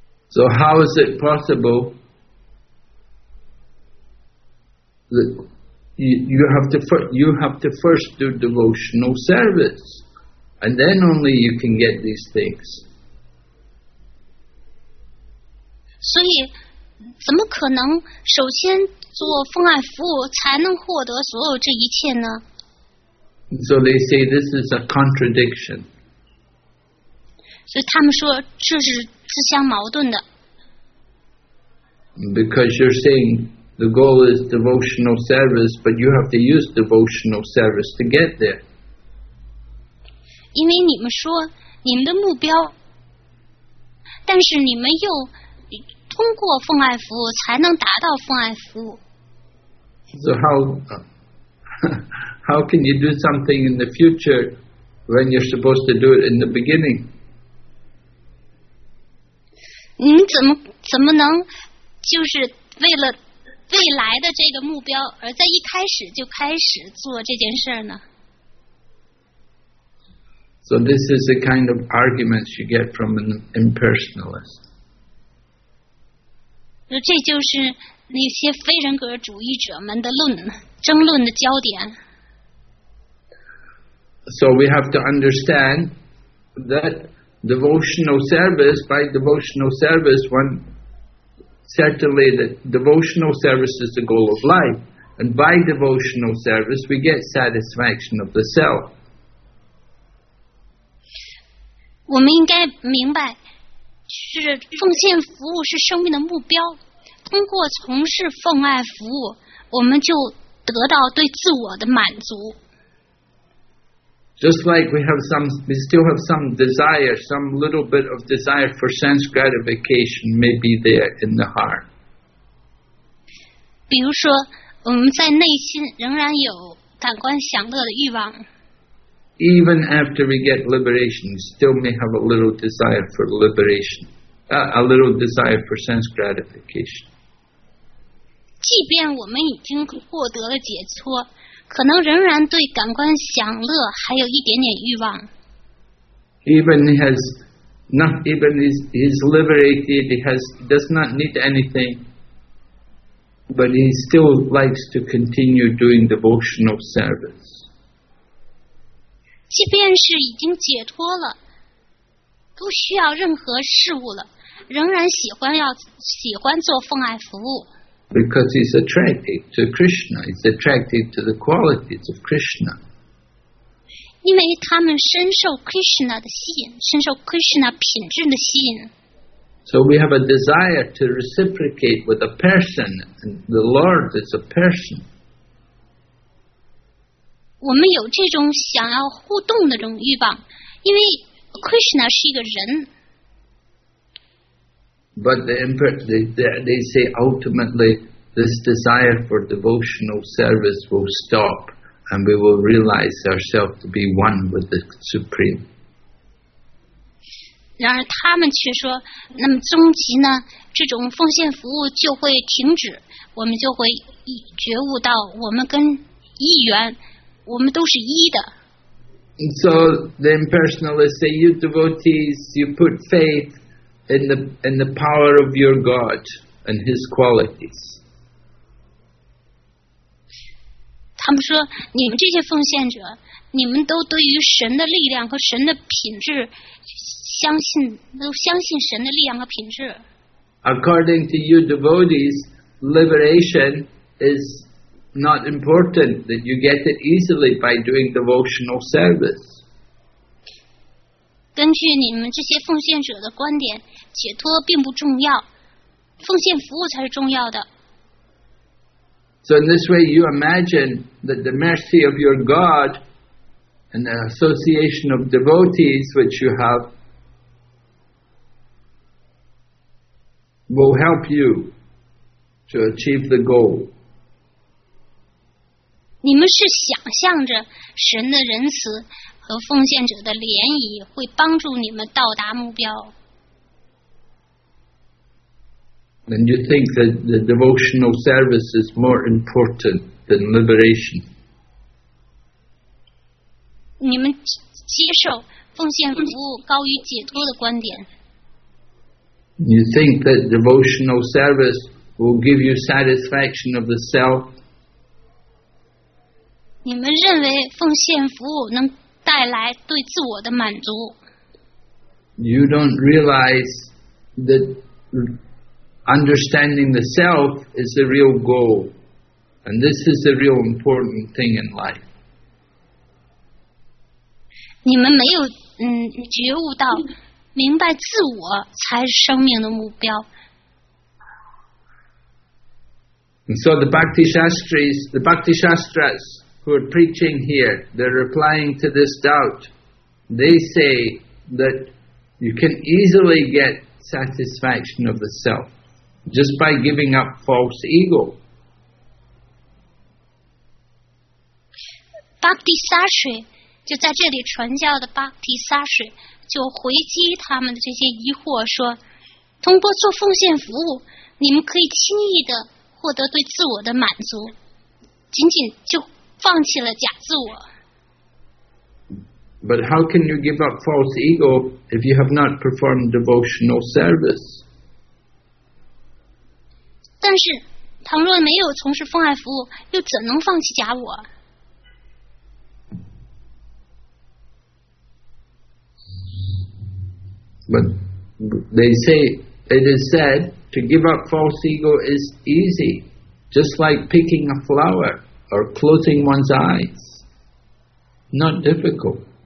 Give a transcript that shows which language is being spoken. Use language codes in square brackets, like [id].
[en] So how is it possible that you have to first do devotional service, and then only you can get these things? [zh] 所以，怎么可能首先做奉爱服务才能获得所有这一切呢？ [en] So they say this is a contradiction. [zh] 所以他们说这是自相矛盾的。 [en] Because you're saying the goal is devotional service, but you have to use devotional service to get there. [zh] 因为你们说你们的目标，但是你们又通过奉爱服务才能达到奉爱服务。 [en] So how can you do something in the future when you're supposed to do it in the beginning? [zh] 你们怎么能就是为了未来的这个目标而在一开始就开始做这件事呢？ [en] So this is the kind of arguments you get from an impersonalist. [zh] 这就是那些非人格主义者们的争论的焦点。 [en] So we have to understand that devotional service, by devotional service, one certainly that devotional service is the goal of life, and by devotional service we get satisfaction of the self. [zh] 我们应该明白，是奉献服务是生命的目标。通过从事奉爱服务，我们就得到对自我的满足。 [en] Just like we still have some desire, some little bit of desire for sense gratification may be there in the heart. [zh] 比如说，我们在内心仍然有感官享乐的欲望。 [en] Even after we get liberation, we still may have a little desire for liberation, a little desire for sense gratification. [zh] 即便我们已经获得了解脱，可能仍然对感官享乐还有一点点欲望。 [en] Even he's liberated, does not need anything, but he still likes to continue doing devotional service. [zh] 即便是已经解脱了，不需要任何事物了，仍然喜欢做奉爱服务。 [en] Because he's attracted to Krishna, he's attracted to the qualities of Krishna. [zh] 因为他们深受 Krishna 的吸引，深受 Krishna 品质的吸引。 [en] So we have a desire to reciprocate with a person, and the Lord is a person. [zh] 我们有这种想要互动的这种欲望，因为 Krishna 是一个人。 [en] But they say ultimately this desire for devotional service will stop and we will realize ourselves to be one with the Supreme. [zh] 然而他们却说，那么终极呢，这种奉献服务就会停止，我们就会觉悟到我们跟一元，我们都是一的。 [en] And so the impersonalists say, you devotees, you put faithin the power of your God and his qualities. [zh] 他们说，你们这些奉献者，你们都对于神的力量和神的品质相信，都相信神的力量和品质。 [en] According to you devotees, liberation is not important, that you get it easily by doing devotional service. [zh] 根据你们这些奉献者的观点，解脱并不重要，奉献服务才是重要的。 [en] So in this way, you imagine that the mercy of your God and the association of devotees which you have will help you to achieve the goal. [zh] 你们是想象着神的仁慈和奉献者的联谊会帮助你们到达目标。 [en] And you think that the devotional service is more important than liberation? [zh] 你们接受奉献服务高于解脱的观点。 [en] You think that devotional service will give you satisfaction of the self? [zh] 你们认为奉献服务能带来对自我的满足。 [en] You don't realize that understanding the self is the real goal. And this is the real important thing in life. [zh] 你们没有觉悟到明白自我才是生命的目标。 [en] And so the Bhakti Shastras who are preaching here, they're replying to this doubt. They say that you can easily get satisfaction of the self just by giving up false ego. [zh] Bhakti Shastri, 就在这里传教的 Bhakti Shastri,就回击他们的这些疑惑说，通过做奉献服务，你们可以轻易的获得对自我的满足，仅仅就放弃了假自我。 [en] But how can you give up false ego if you have not performed devotional service? [zh] 但是，倘若没有从事奉爱服务，又怎能放弃假我？ [en] But they say, it is said, to give up false ego is easy, just like picking a flower or closing one's eyes. Not difficult.